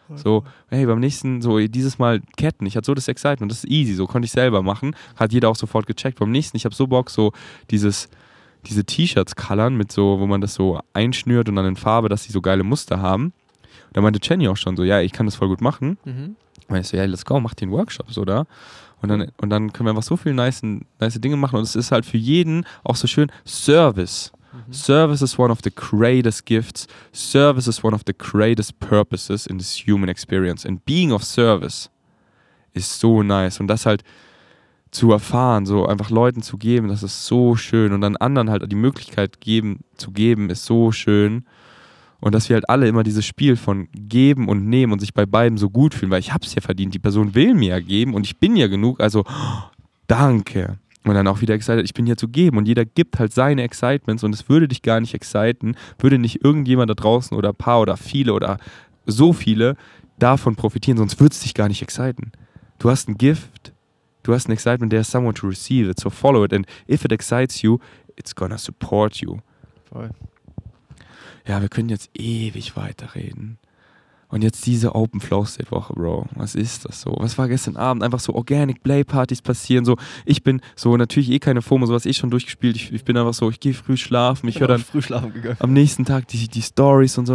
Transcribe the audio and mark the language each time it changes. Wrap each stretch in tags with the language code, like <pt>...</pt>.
<de>So, hey, beim nächsten, so dieses Mal Ketten, ich hatte so das Excitement, das ist easy, so konnte ich selber machen, hat jeder auch sofort gecheckt, beim nächsten, ich habe so Bock, so diese T-Shirts colorn mit so, wo man das so einschnürt und dann in Farbe, dass sie so geile Muster haben. Da meinte Jenny auch schon so, ja, ich kann das voll gut machen. Und ich so, ja,</de> <en>let's go,</en> <de>mach den Workshop so da. Und dann können wir einfach so viele nice Dinge machen. Und es ist halt für jeden auch so schön, Service.</de> <en>Service is one of the greatest gifts. Service is one of the greatest purposes in this human experience. And being of service is so nice.</en> <de>Und das halt zu erfahren, so einfach Leuten zu geben, das ist so schön. Und dann anderen halt die Möglichkeit zu geben, ist so schön. Und dass wir halt alle immer dieses Spiel von geben und nehmen und sich bei beiden so gut fühlen, weil ich hab's ja verdient, die Person will mir ja geben und ich bin ja genug, also danke. Und dann auch wieder excited, ich bin hier zu geben. Und jeder gibt halt seine Excitements und es würde dich gar nicht exciten, würde nicht irgendjemand da draußen oder ein paar oder viele oder so viele davon profitieren, sonst würde es dich gar nicht exciten. Du hast ein Gift. Du hast ein Excitement,</de> <en>there's someone to receive it, so follow it. And if it excites you, it's gonna support you.</en> <de>Voll. Ja, wir können jetzt ewig weiterreden. Und jetzt diese Open Flow State Woche, Bro. Was ist das so? Was war gestern Abend? Einfach so Organic Play Partys passieren. So, ich bin so natürlich eh keine FOMO, sowas eh schon durchgespielt. Ich bin einfach so, ich gehe früh schlafen. Ich höre dann früh schlafen gegangen. Am nächsten Tag die Stories und so.</de>